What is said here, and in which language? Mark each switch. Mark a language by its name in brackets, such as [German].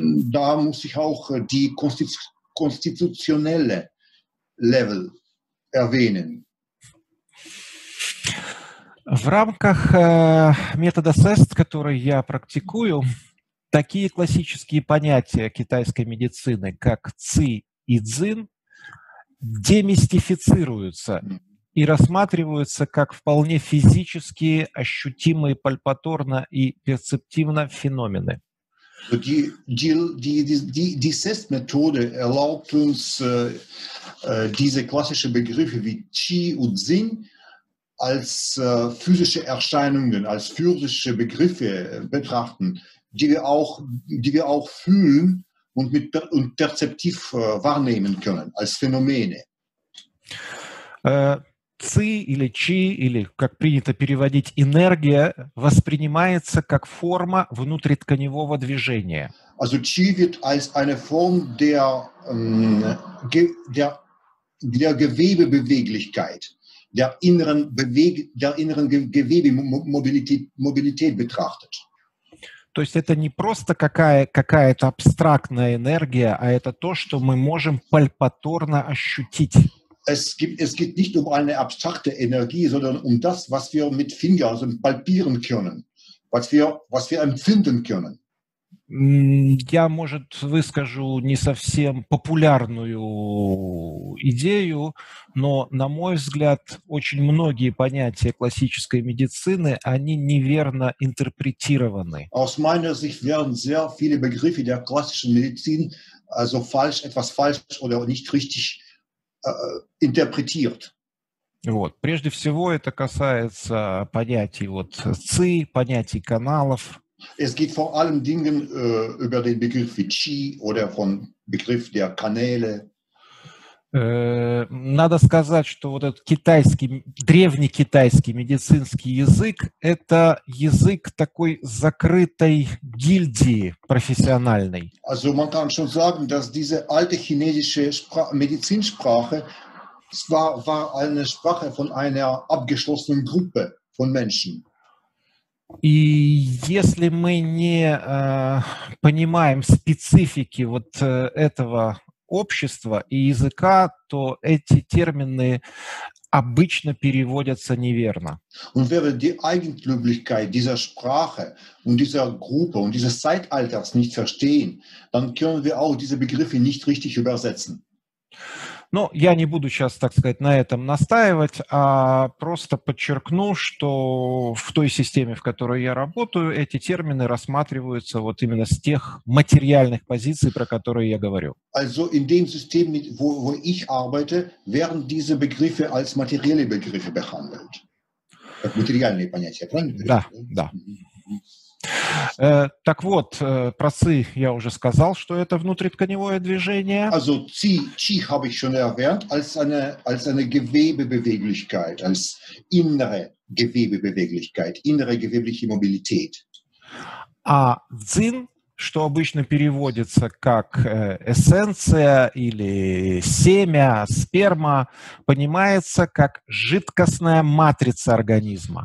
[German] Da muss ich auch die konstitutionelle Level erwähnen. [Russian] В рамках метода SEST, который я практикую, такие классические понятия китайской медицины, как ци и цзин, демистифицируются и рассматриваются как вполне физические, ощутимые пальпаторно и перцептивно феномены. [German] Die SEST-Methode erlaubt uns, diese klassischen Begriffe wie Qi und Xin als physische Erscheinungen, als physische Begriffe betrachten, die wir auch fühlen und perzeptiv wahrnehmen können, als Phänomene. [Russian] Ци или чи, или, как принято переводить, энергия, воспринимается как форма внутритканевого движения. [German] Also, чи wird als eine Form der Gewebebeweglichkeit, der inneren Gewebemobilität betrachtet. [Russian] То есть это не просто какая-то абстрактная энергия, а это то, что мы можем пальпаторно ощутить. [German] Es geht nicht um eine abstrakte Energie, sondern um das, was wir mit Fingern, also palpieren können, was wir empfinden können. [Russian] Я, может, выскажу не совсем популярную идею, но, на мой взгляд, очень многие понятия классической медицины, они неверно интерпретированы. [German] Aus meiner Sicht werden sehr viele Begriffe der klassischen Medizin also falsch, etwas falsch oder nicht richtig [Russian] интерпретирует. Вот. Прежде всего, это касается понятий вот ци, понятий каналов. [German] Es geht vor allen Dingen über den Begriff Qi oder von Begriff der Kanäle. [Russian] Надо сказать, что вот этот древнекитайский медицинский язык – это язык такой закрытой гильдии профессиональной. [German] Also man kann schon sagen, dass diese alte chinesische Medizinsprache war eine Sprache von einer abgeschlossenen Gruppe von Menschen. [Russian] И если мы не понимаем специфики вот этого общества и языка, то эти термины обычно переводятся неверно. [German] Und wenn wir die Eigentümlichkeit dieser Sprache und dieser Gruppe und dieses Zeitalters nicht verstehen, dann können wir auch diese Begriffe nicht richtig übersetzen. [Russian] Ну, я не буду сейчас, так сказать, на этом настаивать, а просто подчеркну, что в той системе, в которой я работаю, эти термины рассматриваются вот именно с тех материальных позиций, про которые я говорю. [German] Also in dem System, wo ich arbeite, werden diese Begriffe als materielle Begriffe behandelt. [Russian] Как материальные понятия, правильно? Да, да. Так вот, про ци я уже сказал, что это внутритканевое движение. [German] Also ци habe ich schon erwähnt als eine Gewebebeweglichkeit, als innere Gewebebeweglichkeit, innere gewebliche Mobilität. [Russian] А цин, что обычно переводится как эссенция или семя, сперма, понимается как жидкостная матрица организма.